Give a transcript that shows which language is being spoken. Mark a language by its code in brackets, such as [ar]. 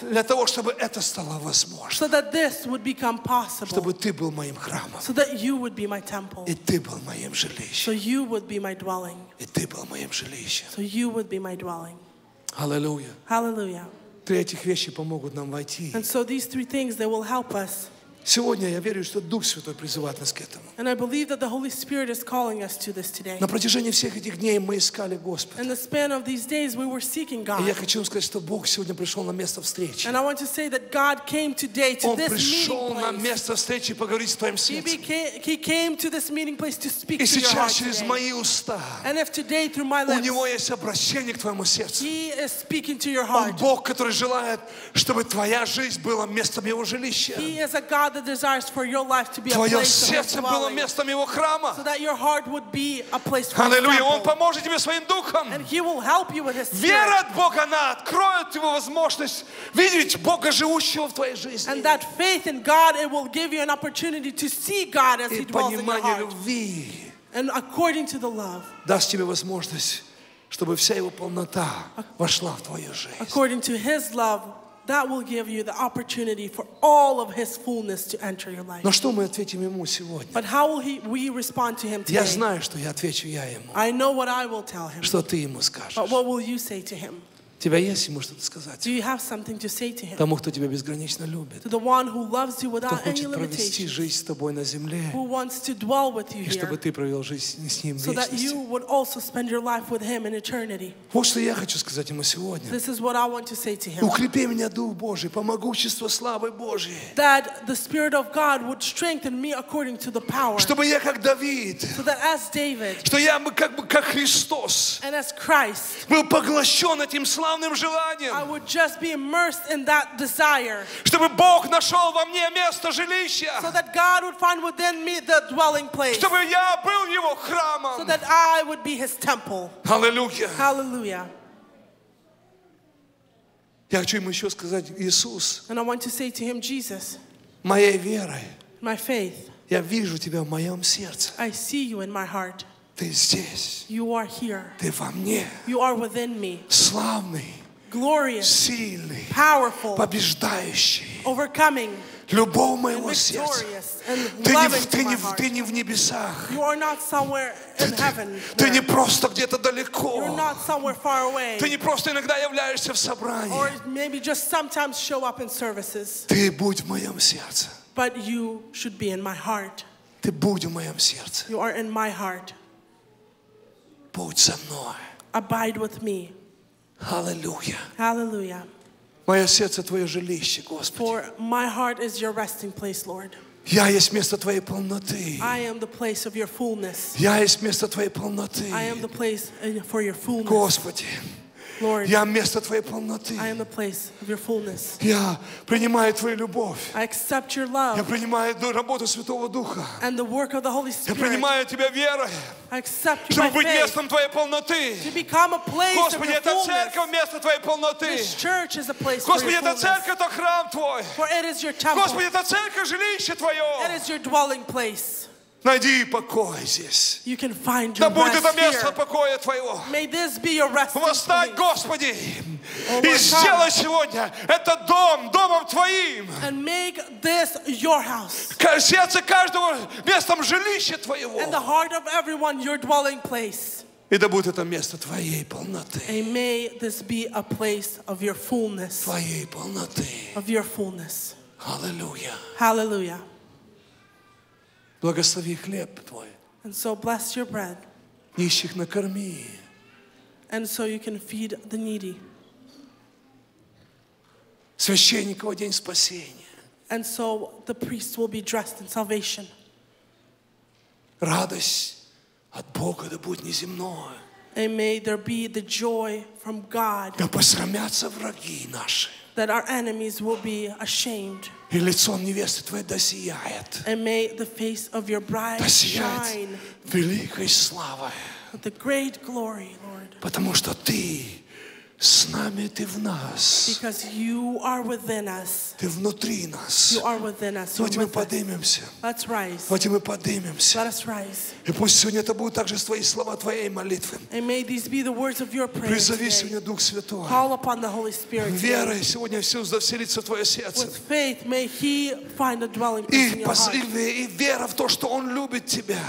[ru] Для того, чтобы это стало возможным. [en] So that this would become possible. [ru] Чтобы ты был моим храмом. [en] So that you would be my temple. [ru] И ты был моим жилищем. [en] So you would be my dwelling. [ru] И ты был моим жилищем. [en] So you would be my dwelling. [ru] Аллилуйя. [en] Hallelujah. [ru] Три этих вещи помогут нам войти. [en] And so these three things they will help us. [ru] Сегодня я верю, что Дух Святой призывает нас к этому. [en] And I believe that the Holy Spirit is calling us to this today. [ru] На протяжении всех этих дней мы искали Господа. [en] In the span of these days we were seeking God. [ru] И я хочу сказать, что Бог сегодня пришел на место встречи. [en] And I want to say that God came today to this meeting place. [ru] Он пришел на место встречи поговорить с твоим сердцем. [en] He came to this meeting place to speak to your heart. [ru] И сейчас через мои уста. [en] And if today through my lips. [ru] У него есть обращение к твоему сердцу. [en] He is speaking to your heart. [ru] Он Бог, который желает, чтобы твоя жизнь была местом его жилища. [en] He is a God the desires for your life to be a [ru] твое [en] place of his dwelling. So that your heart would be a place for Hallelujah. His temple. [ru] Он поможет тебе своим духом. [en] And he will help you with his spirit. [ru] Вера от Бога, она откроет тебе возможность видеть Бога, живущего в твоей жизни. [en] And that faith in God, it will give you an opportunity to see God as [ru] И [en] he dwells in your heart. [ru] Любви. [en] And according to the love. [ru] Даст тебе возможность, чтобы вся его полнота вошла в твою жизнь. [en] According to his love, that will give you the opportunity for all of his fullness to enter your life. [ru] Но что мы ответим ему сегодня? [en] But how will we respond to him today? [ru] Я знаю, что я отвечу я ему. [en] I know what I will tell him. [ru] Что ты ему скажешь? [en] But what will you say to him? [ru] Тебя есть ему что-то сказать? [en] Do you have something to say to him? [ru] Тому, кто тебя безгранично любит. [en] To the one who loves you without any limitations. [ru] Кто хочет провести жизнь с тобой на земле. [en] Who wants to dwell with you here. [ru] И чтобы ты провел жизнь с ним в вечности. [en] So that you would also spend your life with him in eternity. [ru] Вот что я хочу сказать ему сегодня. [en] This is what I want to say to him. [ru] Укрепи меня, Дух Божий, по могуществу славы Божьей. [en] That the Spirit of God would strengthen me according to the power. [ru] Чтобы я как Давид. [en] So that as David. [ru] Что я как Христос. [en] And as Christ. [ru] Был поглощен этим славой. [en] I would just be immersed in that desire. [ru] Чтобы Бог нашел во мне место жилища. [en] So that God would find within me the dwelling place. [ru] Чтобы я был его храмом. [en] So that I would be his temple. [ru] Аллилуйя. [en] Hallelujah. [ru] Я хочу ему еще сказать, Иисус. [en] And I want to say to him, Jesus. [ru] Моей верой. [en] My faith. [ru] Я вижу тебя в моем сердце. [en] I see you in my heart. [ru] Ты здесь. [en] You are here. [ru] Ты во мне. [en] You are within me. [ru] Славный. [en] Glorious. [ru] Сильный. [en] Powerful. [ru] Побеждающий. [en] Overcoming. [ru] Любовь моего сердца. Ты не в небесах. [en] You are not somewhere in heaven. [ru] Ты не просто где-то далеко. [en] You're not somewhere far away. [ru] Ты не просто иногда являешься в собрании. [en] Or maybe just sometimes show up in services. [ru] Ты будь в моем сердце. [en] But you should be in my heart. [ru] Ты будь в моем сердце. [en] You are in my heart. [ru] Будь со мной. [en] Abide with me. [ru] Аллилуйя. [en] Hallelujah. [ru] Мое сердце твое жилище, Господи. [en] For my heart is your resting place, Lord. [ru] Я есть место твоей полноты. [en] I am the place of your fullness. [ru] Я есть место твоей полноты. [en] I am the place for your fullness. [ru] Господи, [en] Lord, [ru] я место Твоей полноты. [en] I am the place of your fullness. [ru] Я принимаю Твою любовь. [en] I accept your love. [ru] Я принимаю работу Святого Духа. [en] And the work of the Holy Spirit. [ru] Я принимаю Тебя верой. [en] I accept [ru] чтобы быть местом Твоей полноты. [en] To become a place [ru] Господи, [en] of your fullness. [ru] Господи, эта церковь место Твоей полноты. [en] This church is a place [ru] Господи, [en] for your fullness. [ru] Господи, эта церковь это храм Твой. [en] For it is your temple. [ru] Господи, эта церковь жилище Твое. [en] It is your dwelling place. [ru] Найди покой здесь. [en] You can find your [ru] да будет это место покоя Твоего. [en] May this be your resting place. [ru] Восстань, Господи, и сделай сегодня этот дом домом Твоим. [en] And make this your house. [ru] Сердце каждого местом жилища Твоего. [en] And the heart of everyone your dwelling place. [ru] И да будет это место Твоей полноты. [en] And may this be a place of your fullness. [ru] Твоей полноты. [en] Of your fullness. [ru] Аллилуйя. [en] Hallelujah. [ru] Благослови хлеб твой. [en] And so bless your bread. [ru] Нищих накорми. [en] And so you can feed the needy. [ru] Священников одень спасения. [en] And so the priests will be dressed in salvation. [ru] Радость от Бога да будет неземная. [en] And may there be the joy from God. [ru] Да посрамятся враги наши. [en] That our enemies will be ashamed. [ru] И лицо невесты твоей да сияет. [en] And may the face of your bride shine. [ru] Великой славой. [en] With the great glory, Lord. [ru] Потому что ты с нами, ты в нас. [en] Because you are within us. [ru] Ты внутри нас. [en] You are within us. [ru] Давайте мы поднимемся. [en] Let's rise. [ru] Давайте мы поднимемся. [en] Let us rise. [ru] И пусть сегодня это будут также твои слова, твоей молитвы. [en] And may these be the words of your prayer. [ru] Призови сегодня Дух Святой. [en] Call upon the Holy Spirit. [ru] Верой сегодня все заселится в твое сердце. [en] With faith, may He find a dwelling place in your heart. [ru] И вера в то, что Он любит тебя.